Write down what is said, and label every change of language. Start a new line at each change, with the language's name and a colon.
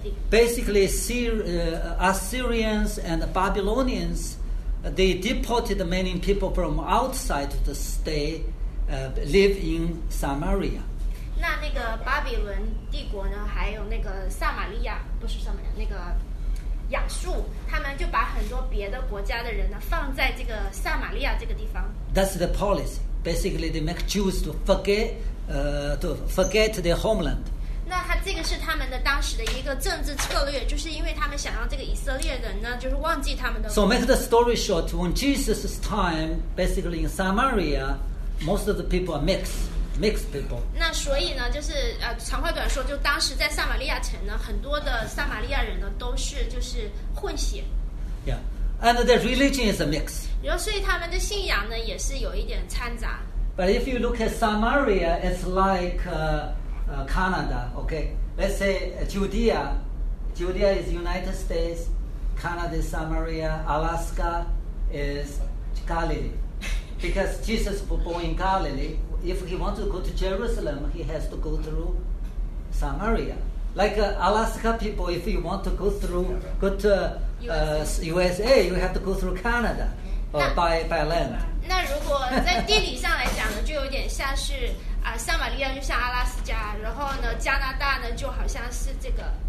English: Basically, Assyrians and Babylonians, they deported many people from outside to stay, live in Samaria.
Chinese: 那个巴比伦帝国呢，还有那个撒玛利亚，不是撒玛利亚，那个亚述，他们就把很多别的国家的人呢，放在这个撒玛利亚这个地方。
English: That's the policy. Basically, they make Jews to forget their homeland.
Chinese: 那他这个是他们的当时的一个政治策略，就是因为他们想让这个以色列人呢，就是忘记他们的。
English: So make the story short. When Jesus' time, basically in Samaria, most of the people are mixed people.
Chinese: 那所以呢，就是长话短说，就当时在撒玛利亚城呢，很多的撒玛利亚人呢都是就是混血。
English: Yeah, and their religion is a mix.
Chinese: 然后所以他们的信仰呢也是有一点掺杂。
English: But if you look at Samaria, it's like Canada. Okay, let's say Judea. Judea is United States. Canada is Samaria. Alaska is Galilee. Because Jesus was born in Galilee. If he wants to go to Jerusalem, he has to go through Samaria. Like Alaska people, if you want to go to USA, you have to go through Canada or by land.
Chinese: 那如果在地理上来讲呢，就有点像是撒玛利亚就像阿拉斯加，然后呢，加拿大呢就好像是这个。